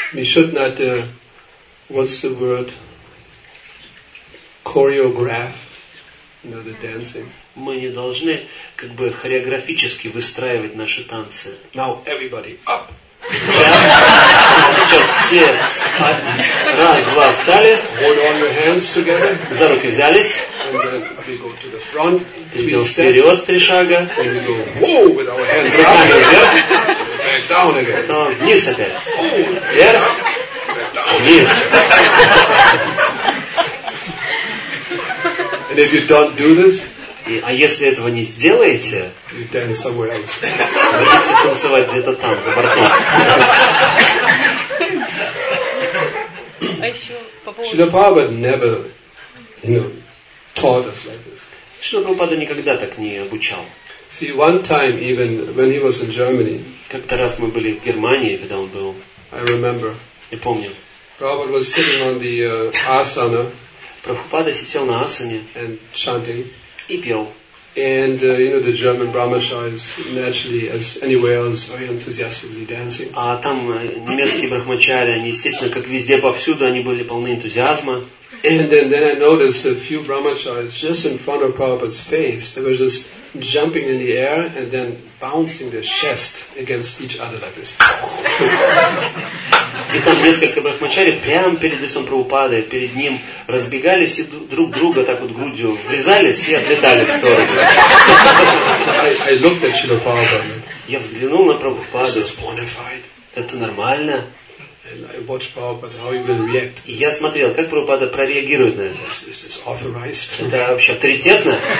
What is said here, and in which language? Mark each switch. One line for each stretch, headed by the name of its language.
English: We should not, what's the word, choreograph, you know, the dancing.
Russian: Мы не должны, как бы, хореографически выстраивать наши танцы.
English: Now everybody up.
Russian: Сейчас все встали. Раз, два, встали.
English: Hold on your hands together.
Russian: За руки взялись.
English: And then we go to the front.
Russian: Идем вперед три шага.
English: And we go, whoa, with our hands up.
Russian: Руками вверх.
English: Back down again.
Russian: Потом вниз опять. Вверх. Вниз.
English: And if you don't do this,
Russian: а если этого не сделаете,
English: you dance somewhere else.
Russian: Будете танцевать где-то там, за бортом. А еще по поводу...
English: Шрила Прабхупада never, you know, taught us like this.
Russian: Шрила Прабхупада никогда так не обучал.
English: See, one time even when he was in Germany.
Russian: Как-то раз мы были в Германии, когда он был.
English: I remember.
Russian: Я помню.
English: Prabhupada was sitting on the asana.
Russian: Прабхупада сидел на асане.
English: And chanting.
Russian: И пел.
English: And you know the German brahmacharis naturally, as anywhere else, very enthusiastically dancing.
Russian: А там немецкие брахмачари, они естественно, как везде повсюду, они были полны энтузиазма.
English: And then I noticed a few brahmacharis just in front of Prabhupada's face. They were just jumping in the air and then bouncing their chest against each other like this.
Russian: И там несколько брахмачари прямо перед лицом Прабхупады, перед ним разбегались и друг друга так вот грудью врезались и отлетали в сторону.
English: I looked at Srila Prabhupada.
Russian: Я взглянул на Прабхупаду.
English: This is bona fide.
Russian: Это нормально.
English: And I watched Prabhupada how he will react.
Russian: Я смотрел, как Прабхупада прореагирует на это.
English: This is authorized.
Russian: Это вообще авторитетно.